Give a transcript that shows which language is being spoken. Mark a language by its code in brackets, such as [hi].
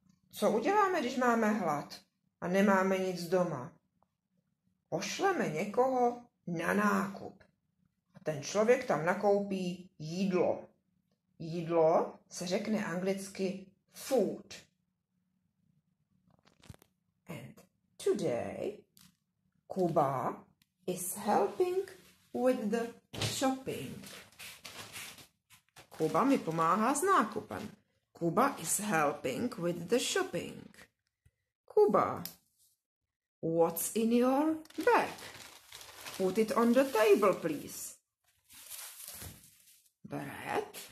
[cs] Co uděláme, když máme hlad a nemáme nic doma? Pošleme někoho na nákup. A ten člověk tam nakoupí jídlo. Jídlo se řekne anglicky food. [en] And today Kuba is helping with the shopping. [cs] Kuba mi pomáhá s nákupem. [en] Kuba is helping with the shopping. Kuba, what's in your bag? Put it on the table, please. Bread.